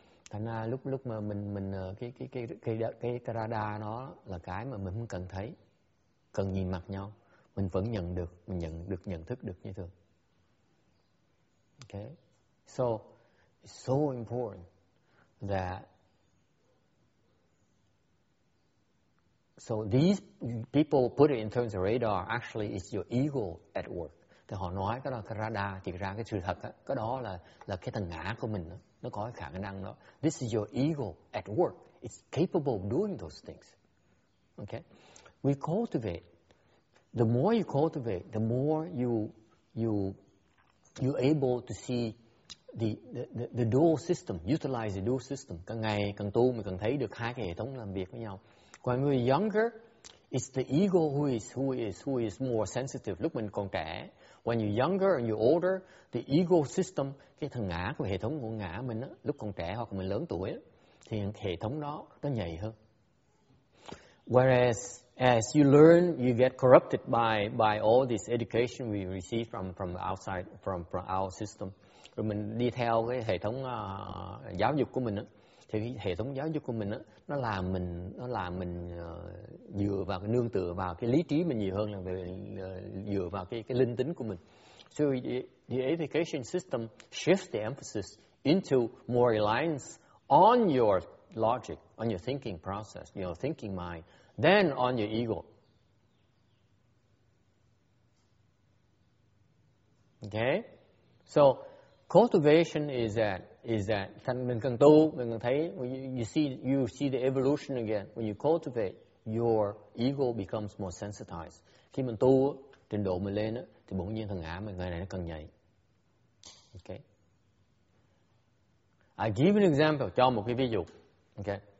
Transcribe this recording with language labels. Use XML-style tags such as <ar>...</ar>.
<vi>Thành ra lúc mà mình cái radar nó là cái mà mình không cần thấy, cần nhìn mặt nhau, mình vẫn nhận thức được như thường. Okay.</vi> <en>So it's so important that so these people put it in terms of radar, actually it's your ego at work.</en> <vi>Thì họ nói cái đó là cái radar, thì ra cái sự thật đó, cái đó là cái thằng ngã của mình đó. Nó có cái khả năng đó.</vi> <en>This is your ego at work. It's capable of doing those things. Okay? We cultivate. The more you cultivate, the more you able to see the dual system, utilize the dual system.</en> <vi>Càng ngày càng tu, mình càng thấy được hai cái hệ thống làm việc với nhau. Còn người younger,</vi> <en>it's the ego who is more sensitive.</en> <vi>Lúc mình còn trẻ,</vi> <en>when you're younger and you're older, the ego system,</en> <vi>cái thằng ngã của hệ thống của ngã mình á, lúc còn trẻ hoặc mình lớn tuổi á, thì hệ thống đó nó nhạy hơn.</vi> <en>Whereas as you learn, you get corrupted by all this education we receive from the outside, from our system.</en> <vi>Rồi mình đi theo cái hệ thống giáo dục của mình á, thì cái hệ thống giáo dục của mình á, nó làm mình dựa vào cái nương tựa vào cái lý trí mình nhiều hơn là dựa vào cái linh tính của mình.</vi> <en>So the education system shifts the emphasis into more reliance on your logic, on your thinking process, your thinking mind, than on your ego. Okay? So cultivation is that</en> <vi>thành mình cần tu, mình cần thấy,</vi> <en>you see the evolution again. When you cultivate, your ego becomes more sensitized.</en> <vi>Khi mình tu, trình độ mình lên, thì bỗng nhiên thằng ngã mình ngày này nó cần nhảy.</vi> <en>Okay. I give an example,</en> <vi>cho một cái ví dụ.</vi> <en>Okay.</en>